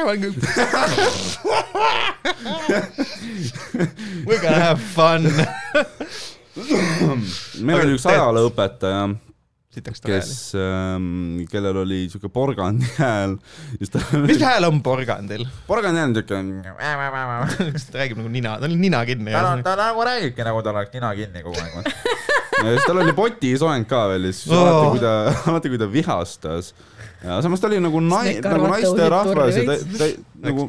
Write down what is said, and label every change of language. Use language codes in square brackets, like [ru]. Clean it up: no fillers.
[et] Ma olen [en] We're gonna have fun! [et] Meil oli üks ajale õpetaja, kes, kellel oli siuke porgandi hääl. Mis hääl on porgandil? Porgandi hääl on siuke... Ta räägib nagu nina, ta oli nina kinni. Ta nagu räägibki nagu ta oleks nina kinni kogu aeg. Siis tal oli poti soeng ka veel, siis alati kui ta vihastas. Ja samas ta oli nagu, nagu naiste rahvas ja ta nagu